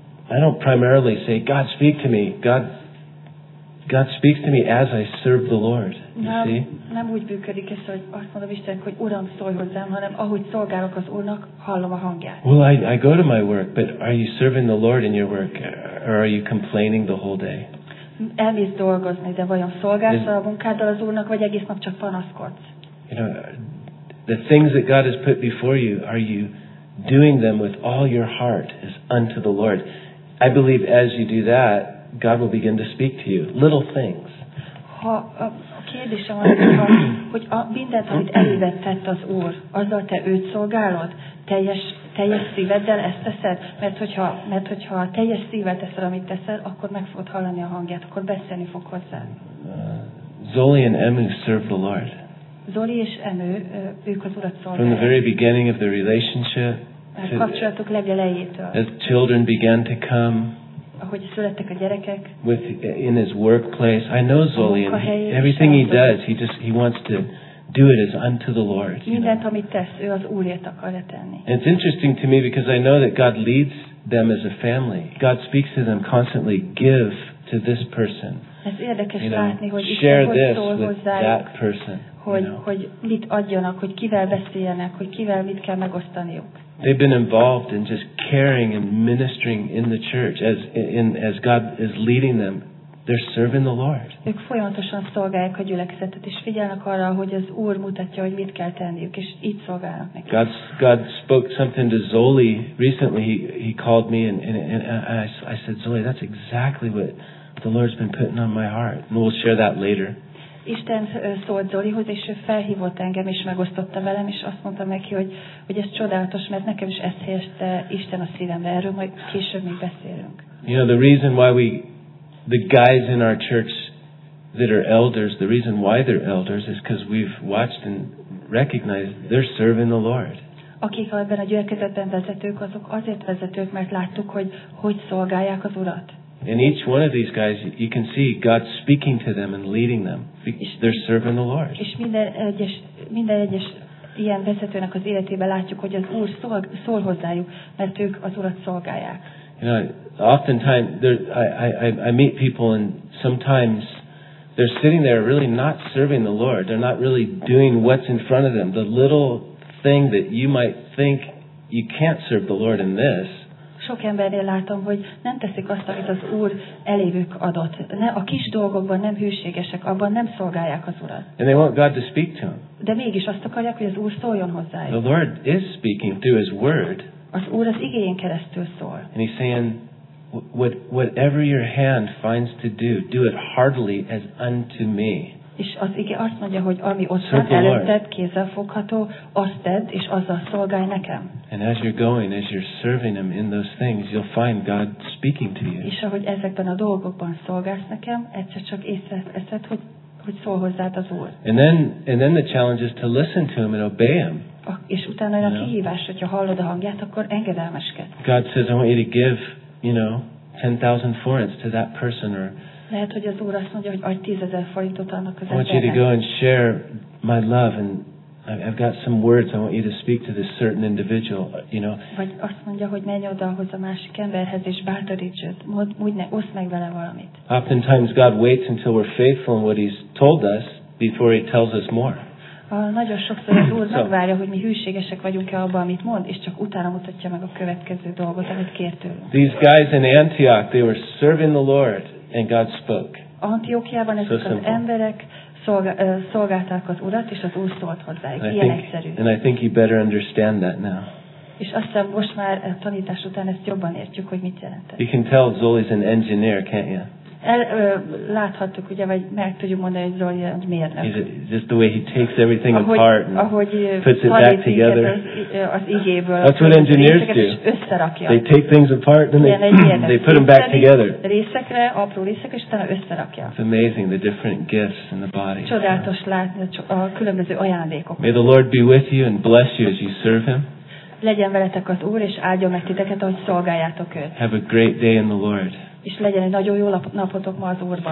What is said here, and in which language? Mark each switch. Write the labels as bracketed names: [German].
[English] I don't primarily say, God speak to me. God speaks to me as I serve the Lord. You see? [Hungarian] Nem úgy működik ez, hogy azt mondom Istennek, hogy Uram szólj hozzám, hanem ahogy szolgálok az Úrnak, hallom a hangját. [English] Well, I go to my work, but are you serving the Lord in your work, or are you complaining the whole day? [Hungarian] Elmész dolgozni, de vajon szolgálsz a munkáddal az Úrnak, vagy egész nap csak panaszkodsz? [English] You know, the things that God has put before you, are you doing them with all your heart as unto the Lord? I believe as you do that, God will begin to speak to you. Little things. [Hungarian] Ha a kérdésem az, hogy mindent, amit elévet tett az Úr, azzal te őt szolgálod, teljes szíveddel ezt teszed? Mert hogyha teljes szívvel teszel, amit teszel, akkor meg fogod hallani a hangját, akkor beszélni fog hozzá. [English] Zoli and Emu serve the Lord. [Hungarian] Zoli és Emu, ők az Urat szolgálják. [English] From the very beginning of the relationship, [Hungarian] kapcsolatok legelejétől. [English] As children began to come, [Hungarian] ahogy születtek a gyerekek, [English] in his workplace, I know Zoli, and everything he does, he wants to do it as unto the Lord. [Hungarian] Mindent, amit tesz, ő az Úrért akarja tenni. [English] And it's interesting to me because I know that God leads them as a family. God speaks to them constantly, give to this person. [Hungarian] Ez érdekes látni, hogy [English] share this with that person. [Hungarian] Hogy mit adjanak, hogy kivel beszéljenek, hogy kivel mit kell megosztaniuk. [English] They've been involved in just caring and ministering in the church as God is leading them. They're serving the Lord. [Hungarian] Ők folyamatosan szolgálják a gyülekezetet, és figyelnek arra, hogy az Úr mutatja, hogy mit kell tenniük, és így szolgálnak neki. [English] God spoke something to Zoli recently. He called me and I said, Zoli, that's exactly what the Lord's been putting on my heart. And we'll share that later. [Hungarian] Isten szólt Zolihoz, és ő felhívott engem, és megosztotta velem, és azt mondta neki, hogy ez csodálatos, mert nekem is ezt helyezte Isten a szívembe. Erről majd később még beszélünk. [English] You know, the reason why we, the guys in our church that are elders, the reason why they're elders is because we've watched and recognized they're serving the Lord. [Hungarian] Akik ebben a gyülekezetben vezetők, azok azért vezetők, mert láttuk, hogy szolgálják az Urat. [English] And each one of these guys, you can see God speaking to them and leading them. They're serving the Lord. [Hungarian] És minden egyes ilyen vezetőnek az életében látjuk, hogy az Úr szól hozzájuk, mert ők az Urat szolgálják. [English] You know, oftentimes I meet people and sometimes they're sitting there really not serving the Lord. They're not really doing what's in front of them. The little thing that you might think you can't serve the Lord in this. [Hungarian] Sok embernél látom, hogy nem teszik azt, amit az Úr elévük adott. Ne, a kis dolgokban nem hűségesek, abban nem szolgálják az Urat. [English] And they want God to speak to them. [Hungarian] De mégis azt akarják, hogy az Úr szóljon hozzájuk. [English] The Lord is speaking through His Word. [Hungarian] Az Úr az igéjén keresztül szól. [English] And He's saying, whatever your hand finds to do, do it heartily as unto me. [Hungarian] És az ige azt mondja, hogy ami ott van előtted, kézzel fogható, azt tedd, és azzal szolgálj nekem. [English] And as you're going, as you're serving him in those things, you'll find God speaking to you. [Hungarian] És ahogy ezekben a dolgokban szolgálsz nekem, egyszer csak észreveszed, hogy szól hozzád az Úr. [English] And then the challenge is to listen to him and obey him. [Hungarian] És utána olyan kihívás, hogyha hallod a hangját, akkor engedelmeskedj. [English] God says, I want you to give, you know, 10,000 forints to that person or [Hungarian] lehet, hogy az Úr azt mondja, hogy adj 10,000 forintot annak az embernek. [English] I want you to go and share my love, and I've got some words I want you to speak to this certain individual, you know. [Hungarian] Vagy azt mondja, hogy menj oda ahhoz a másik emberhez, és bátoríts őt. Oszd meg vele valamit. [English] Oftentimes God waits until we're faithful in what He's told us before He tells us more. [Hungarian] Nagyon sokszor az Úr megvárja, hogy mi hűségesek vagyunk-e abban, amit mond, és csak utána mutatja meg a következő dolgot, amit kért tőlünk. [English] These guys in Antioch, they were serving the Lord. And God spoke. [Hungarian] Antiochiában ezek az emberek szolgálták az Urat, és az Úr szólt hozzájuk. Ilyen egyszerű. [English] And I think you better understand that now. [Hungarian] És aztán most már a tanítás után ezt jobban értjük, hogy mit jelent. [English] You can tell Zoli's an engineer, can't you? [Hungarian] Láthattuk, ugye, vagy meg tudjuk mondani, hogy Zoli egy mérnök. [English] Just the way he takes everything apart and puts it back together. That's what engineers do. They take things apart and they put them back together. [Hungarian] Részekre, apró részekre, és utána összerakja. [English] It's amazing, the different gifts in the body. [Hungarian] Csodálatos látni a különböző ajándékokat. [English] May the Lord be with you and bless you as you serve Him. [Hungarian] Legyen veletek az Úr, és áldjon meg titeket, ahogy szolgáljátok Őt. [English] Have a great day in the Lord. [Hungarian] és legyen egy nagyon jó napotok ma az Úrban.